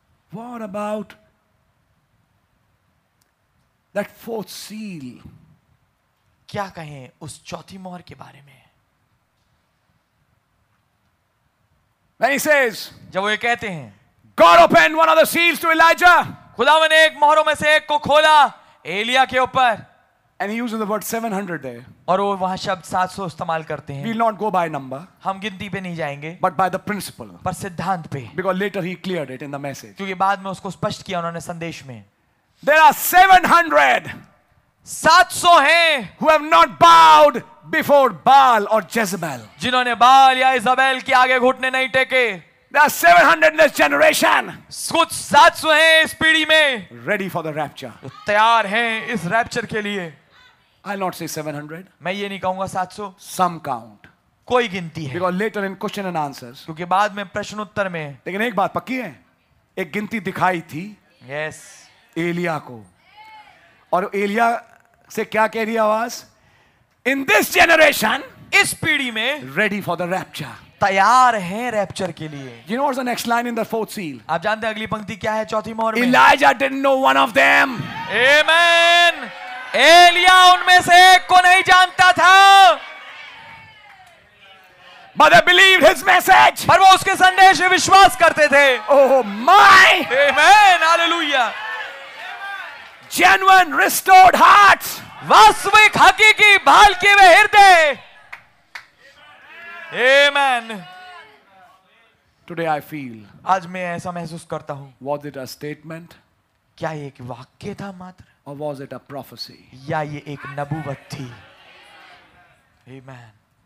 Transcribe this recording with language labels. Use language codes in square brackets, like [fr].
[en] What about that fourth seal? [hi] क्या कहें उस चौथी मोहर के बारे में? [en] Then he says, [hi] जब वो ये कहते हैं, [en] God opened one of the seals to Elijah. [hi] खुदा ने एक मोहरों में से एक को खोला एलिया के ऊपर. [en] And he uses the word 700 there. [hi] और वो वहाँ शब्द 700 इस्तेमाल करते हैं. [en] We'll not go by number. [hi] हम गिनती पे नहीं जाएंगे. [en] But by the principle. [hi] पर सिद्धांत पे. [en] Because later he cleared it in the message. [hi] क्योंकि बाद में उसको स्पष्ट किया उन्होंने संदेश में. [en] There are 700. [hi] 700 हैं. [en] Who have not bowed before Baal or Jezebel. [hi] जिन्होंने बाल या इजाबेल के आगे घुटने नहीं टेके. [en] There are 700 in this generation. [hi] कुछ 700 हैं इस पीढ़ी में. [en] Ready for the rapture. [hi] तैयार हैं इस रैप्चर के लिए. [en] I'll not say 700. [hi] मैं ये नहीं कहूँगा 700. [en] Some count. [hi] कोई गिनती है. [en] Because later in question and answers. [hi] क्योंकि बाद में प्रश्न उत्तर में. लेकिन एक बात पक्की है. एक गिनती दिखाई थी. [en] Yes. [hi] एलिया को. और एलिया से क्या कह रही आवाज? [en] In this generation, [hi] इस पीढ़ी में, [en] ready for the rapture, [hi] तैयार हैं रैप्चर के लिए. [en] You know what's the next line in the fourth seal? [hi] आप जानते हैं अगली पंक्ति क्या है चौथी मोहर में? [en] Elijah didn't know one of them. Amen. [hi] Elia उनमें से एक को नहीं जानता था. [en] But they believed his message. [hi] पर वो उसके संदेश में विश्वास करते थे. [en] Oh my. Amen. Hallelujah. Genuine restored hearts. [hi] वास्तविक हकीकी भाल के वे हृदय. [en] Amen. Today I feel. [hi] आज मैं ऐसा महसूस करता हूं. [en] Was it a statement? [hi] क्या ये एक वाक्य था मात्र? [en] Or was it a prophecy? [hi] या ये एक नबुवत थी? Amen.